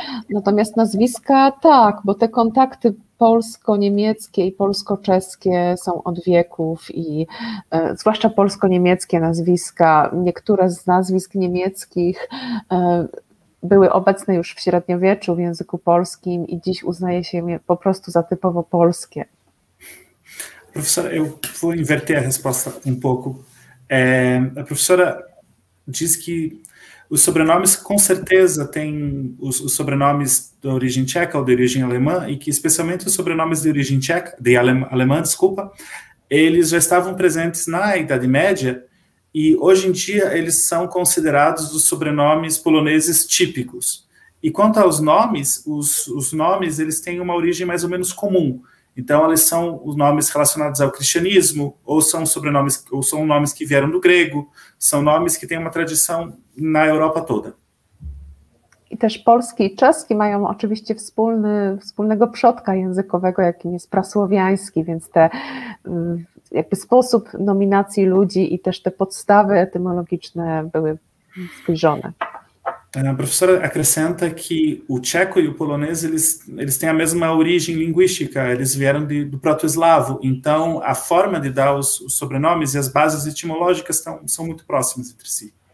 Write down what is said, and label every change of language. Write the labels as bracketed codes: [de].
[pl] Natomiast nazwiska tak, bo te kontakty polsko-niemieckie i polsko-czeskie są od wieków i zwłaszcza polsko-niemieckie nazwiska, niektóre z nazwisk niemieckich były obecne już w średniowieczu w języku polskim i dziś uznaje się je po prostu za typowo polskie. [pt] Professora, eu vou inverter a resposta um pouco. A professora diz que os sobrenomes, com certeza, têm os sobrenomes de origem tcheca ou de origem alemã, e que especialmente os sobrenomes de origem tcheca, alemã, eles já estavam presentes na Idade Média, e hoje em dia eles são considerados os sobrenomes poloneses típicos. E quanto aos nomes, os nomes eles têm uma origem mais ou menos comum. Então, eles são os nomes relacionados ao cristianismo, ou são nomes que vieram do grego, são nomes que têm uma tradição na Europa toda. [pl] I też polski i czeski mają oczywiście wspólnego przodka językowego, jakim jest prasłowiański, więc te jakby sposób nominacji ludzi i też te podstawy etymologiczne były zbliżone. [pt] A professora acrescenta que o tcheco e o polonês, eles têm a mesma origem linguística, eles vieram do proto-eslavo, então a forma de dar os sobrenomes e as bases etimológicas são muito próximas entre si.